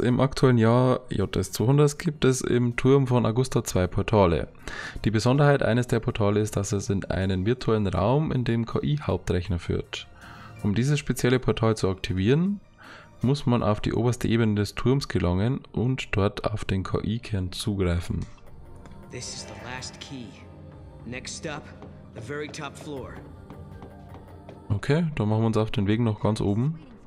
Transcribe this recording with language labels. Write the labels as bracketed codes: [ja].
[de] Im aktuellen Jahr JS200 gibt es im Turm von Augusta zwei Portale. Die Besonderheit eines der Portale ist, dass es in einen virtuellen Raum in dem KI-Hauptrechner führt. Um dieses spezielle Portal zu aktivieren, muss man auf die oberste Ebene des Turms gelangen und dort auf den KI-Kern zugreifen. [en] This is the last key. Next up, the very top floor. [de] Okay, dann machen wir uns auf den Weg noch ganz oben.